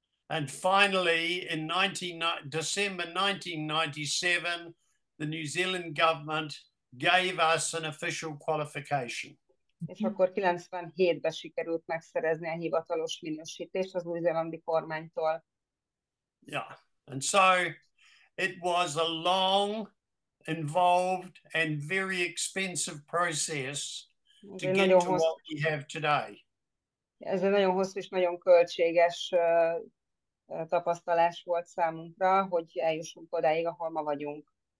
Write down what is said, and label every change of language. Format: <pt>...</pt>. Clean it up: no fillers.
<en>And finally, in December 1997, the New Zealand government gave us an official qualification.</en> <hu>És akkor 97-ben sikerült megszerezni a hivatalos minősítést az új-zélandi kormánytól.</hu> <en>Yeah, and so it was a long, involved and very expensive process to get to what we have today.</en> <hu>Ez egy nagyon hosszú és nagyon költséges tapasztalás volt számunkra, hogy eljussunk odáig, ahol ma vagyunk.</hu>